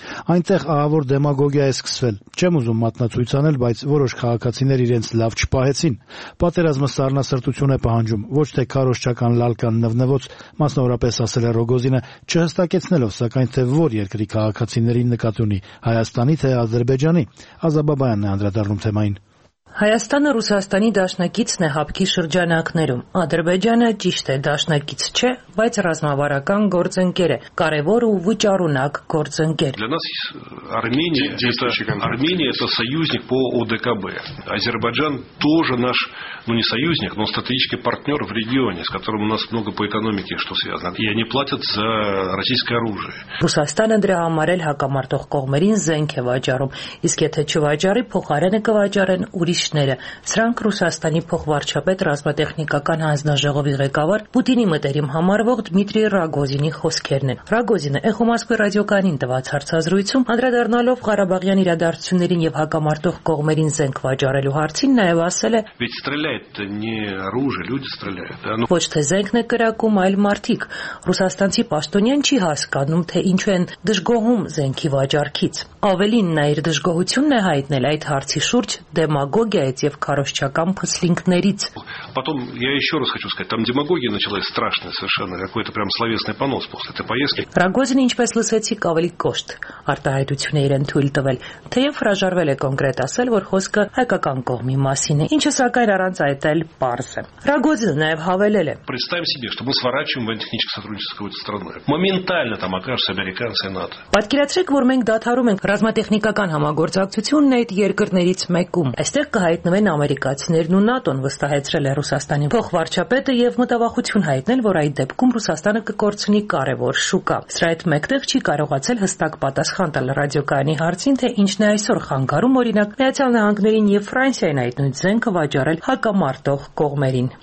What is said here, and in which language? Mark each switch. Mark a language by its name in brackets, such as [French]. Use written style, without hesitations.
[Armenian] Այնտեղ ահավոր դեմագոգիա է սկսվել։ Չեմ ուզում մատնացույցանել, բայց որոշ քաղաքացիներ իրենց լավ չպահեցին։ Պատերազմը սառնասրտություն է պահանջում, ոչ թե քարոշչական լալկան նվնվոց, մասնավորապես ասել է Ռոգոզինը, չհստակեցնելով, սակայն թե որ երկրի քաղաքացիներին նկատի ունի, Հայաստանի թե Ադրբեջանի։ Ազաբաբայանն է անդրադառնում թեմային։ Հայաստանը Ռուսաստանի դաշնակիցն է հապկի շրջանակներում։ Ադրբեջանը ճիշտ է դաշնակից չէ, բայց ռազմավարական գործընկեր է, կարևոր ու վճարունակ գործընկեր։ [Russian] Армения это союзник по ОДКБ. Азербайджан тоже наш, ну не союзник, но стратегический партнёр в регионе, с которым у нас много по экономике что связано. И они платят за российское оружие. [Armenian] Ռուսաստանը դրա համար էլ հակամարտող կողմերին զենք է վաճառում, իսկ եթե չվաճարի, փոխարենը կվաճարեն ուրիշ ները։ Սրանք Ռուսաստանի փոխվարչապետ ռազմատեխնիկական հանձնաժողովի ղեկավար Պուտինի մտերիմ համարվող Դմիտրի Ռոգոզինի խոսքերն են։ Ռոգոզինը Էխո Մոսկվի ռադիոկայանին տված հարցազրույցում, անդրադառնալով Ղարաբաղյան իրադարձություններին եւ հակամարտող կողմերին զենք վաճառելու հարցին, նաեւ ասել է. Ոչ թե զենքն է կրակում, այլ մարդիկ։ Ռուսաստանցի պաշտոնյան չի հասկանում, թե ինչու են դժգոհում զենքի վաճառքից։ Ավելին, նա իր դժգոհությունն է հայտնել այդ հարցի շուրջ демагогиայից եւ քարոշչական փսլինկներից։ [Russian] Потом я ещё раз хочу сказать, там демагогия началась страшная совершенно, какой-то прямо словесный понос после этой поездки. [Armenian] Ռոգոզինը ինչպես լսեցիք, ավելի կոշտ արտահայտություն է իրեն թույլ տվել, թեև հրաժարվել է կոնկրետ ասել, որ խոսքը հայկական կողմի մասին է, ինչը սակայն առանց այդ էլ պարզ է։ Ռոգոզինը նաև հավելել է. [Russian] Представим себе, что мы сворачиваем в антитехническое сотрудничество с какой-то страной. Моментально там окажутся американцы и НАТО. [Armenian] Պատկերացրեք, որ մենք դադարում ենք ռազմատեխնիկական համագործակցությունն այդ երկրներից մեկում։ Այստեղ կհայտնվեն ամերիկացիներն ու ՆԱՏՕ-ն, վստահեցրել է Ռուսաստանի փոխվարչապետը եւ մտավախություն հայտնել, որ այդ դեպքում Ռուսաստանը կկորցնի կարևոր շուկա։ Սրայթ մեկտեղ չի կարողացել հստակ պատասխան տալ ռադիոկայանի հարցին, թե ինչն է այսօր խանգարում, օրինակ, Միացյալ Նահանգներին եւ Ֆրանսիային այդ նույն զենքը վաճառել հակամարտող կողմերին։